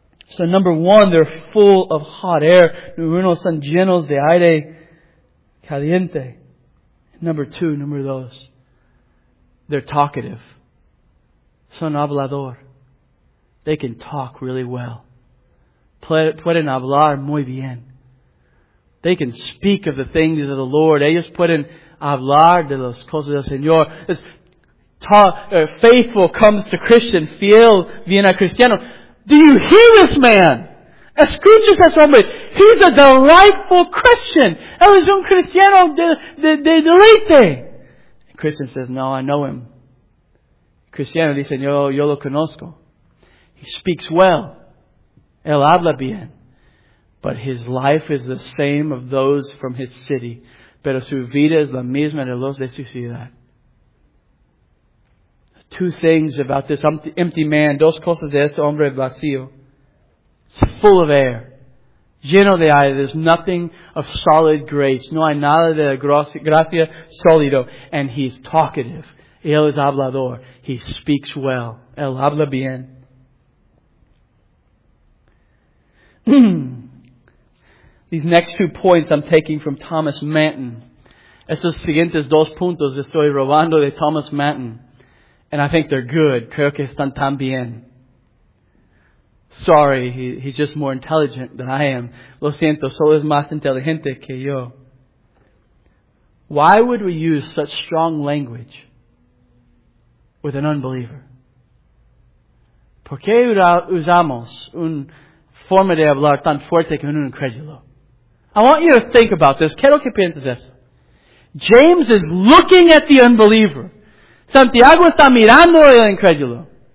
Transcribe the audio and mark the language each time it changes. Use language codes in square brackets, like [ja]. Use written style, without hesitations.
[en] So number one, they're full of hot air. [es] Uno son llenos de aire caliente. [en] Number dos, they're talkative. [es] Son hablador. [en] They can talk really well. [es] Pueden hablar muy bien. [en] They can speak of the things of the Lord. [es] Ellos pueden hablar de las cosas del Señor. [en] Faithful comes to Christian. [es] Fiel viene a cristiano. [en] Do you hear this man? [es] Escuchas a ese hombre. [en] He's a delightful Christian. [es] Él es un cristiano de deleite. [en] Christian says, no, I know him. [es] Cristiano dice, yo lo conozco. [en] He speaks well. [es] Él habla bien. [en] But his life is the same of those from his city. [es] Pero su vida es la misma de los de su ciudad. [en] Two things about this empty man. [es] Dos cosas de este hombre vacío. [en] It's full of air. [es] Lleno de aire. [en] There's nothing of solid grace. [es] No hay nada de gracia sólido. [en] And he's talkative. [es] Él es hablador. [en] He speaks well. [es] Él habla bien. [en] These next two points I'm taking from Thomas Manton. [es] Estos siguientes dos puntos estoy robando de Thomas Manton. [en] And I think they're good. [es] Creo que están tan bien. [en] Sorry, he's just more intelligent than I am. [es] Lo siento, solo es más inteligente que yo. [en] Why would we use such strong language with an unbeliever? [es] ¿Por qué usamos un forma de hablar tan fuerte con un incrédulo? [en] I want you to think about this. [es] Quiero que pienses esto. [en] James is looking at the unbeliever. [es] Santiago está mirando al incrédulo.